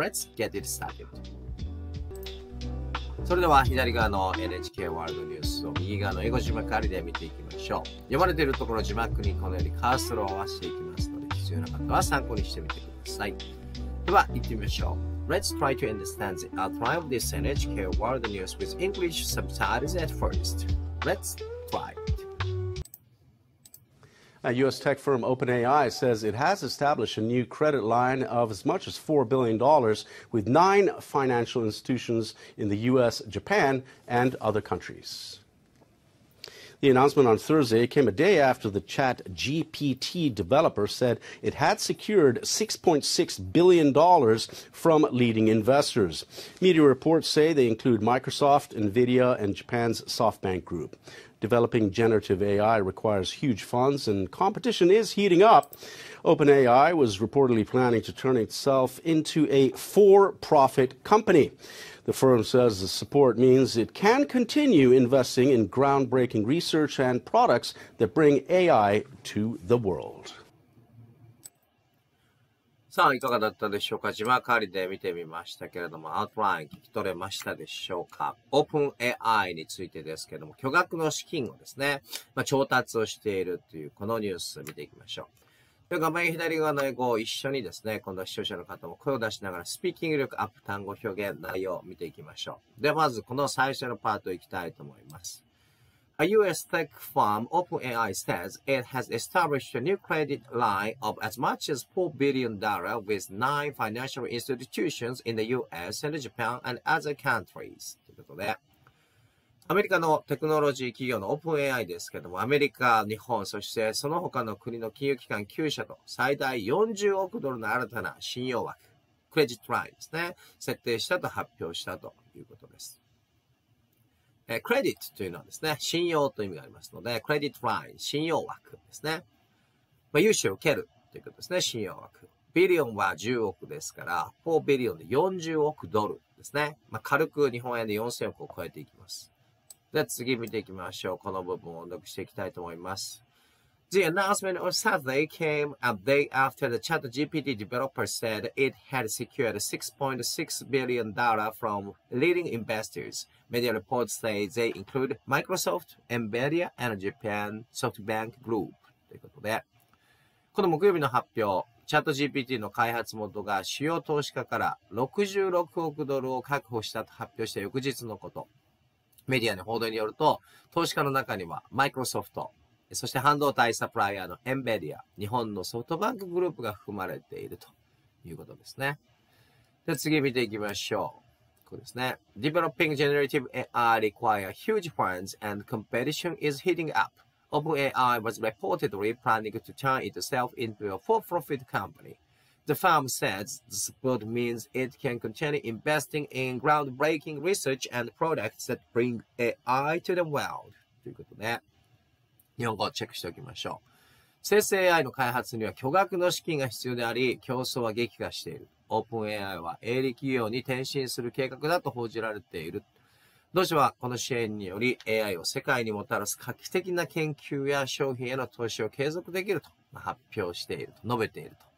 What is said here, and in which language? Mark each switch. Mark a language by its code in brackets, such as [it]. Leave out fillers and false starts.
[en] Let's get it started。 [ja] それでは左側の NHK ワールドニュースを右側の英語字幕ありで見ていきましょう。読まれているところ字幕にこのようにカーソルを合わせていきますので必要な方は参考にしてみてください。では行ってみましょう。 [en] Let's try to understand the outline of this NHK World News with English subtitles at first. Let's try it. A U.S. tech firm OpenAI says it has established a new credit line of as much as $4 billion with 9 financial institutions in the U.S., Japan, and other countries. The announcement on Thursday came a day after the ChatGPT developer said it had secured $6.6 billion from leading investors. Media reports say they include Microsoft, Nvidia, and Japan's SoftBank Group. Developing generative AI requires huge funds, and competition is heating up. OpenAI was reportedly planning to turn itself into a for-profit company. The firm says the support means it can continue investing in groundbreaking research and products that bring AI to the world. [ja] さあ、いかがだったでしょうか。字幕ありで見てみましたけれども、アウトライン聞き取れましたでしょうか。 OpenAI についてですけれども、巨額の資金をですね、調達をしているというこのニュースを見ていきましょう。画面左側の英語を一緒にですね、今度は視聴者の方も声を出しながらスピーキング力アップ単語表現内容を見ていきましょう。ではまずこの最初のパートいきたいと思います。 [en] A US tech firm OpenAI says it has established a new credit line of as much as $4 billion with 9 financial institutions in the US and Japan and other countries. [ja] ということで、アメリカのテクノロジー企業のオープン AI ですけども、アメリカ、日本、そしてその他の国の金融機関9社と最大40億ドルの新たな信用枠、クレジットラインですね、設定したと発表したということです。クレディットというのはですね、信用という意味がありますので、クレジットライン、信用枠ですね。まあ、融資を受けるということですね、信用枠。ビリオンは10億ですから、4ビリオンで40億ドルですね。まあ、軽く日本円で4000億を超えていきます。で次見ていきましょう。この部分を読していきたいと思います。 [en] The announcement on Saturday came a day after the ChatGPT developer said it had secured $6.6 billion from leading investors. Media reports say they include Microsoft, Nvidia, and Japan SoftBank Group. [ja] ということで、この木曜日の発表、ChatGPT の開発元が主要投資家から66億ドルを確保したと発表した翌日のこと。メディアの報道によると、投資家の中には、マイクロソフト、そして半導体サプライヤーのエンベディア、日本のソフトバンクグループが含まれているということですね。で、次見ていきましょう。ここですね。 [en] Developing generative AI require huge funds and competition is heating up. OpenAI was reportedly planning to turn itself into a for-profit company. The firm says the support means it can continue investing in groundbreaking research and products that bring AI to the world. [ja] ということで、日本語をチェックしておきましょう。生成 AI の開発には巨額の資金が必要であり、競争は激化している。 OpenAI は営利企業に転身する計画だと報じられている。同社はこの支援により AI を世界にもたらす画期的な研究や商品への投資を継続できると発表していると、述べていると。